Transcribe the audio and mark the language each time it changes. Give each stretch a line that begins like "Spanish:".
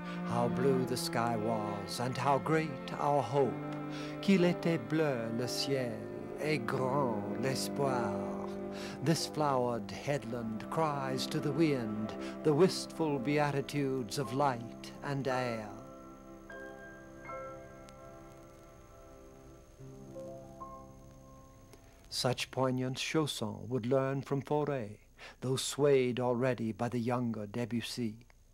English: How blue the sky was, and how great our hope.
French: Qu'il était bleu le ciel, et grand l'espoir.
English: This flowered headland cries to the wind, the wistful beatitudes of light and air. Such poignant chansons would learn from Fauré, though swayed already by the younger Debussy.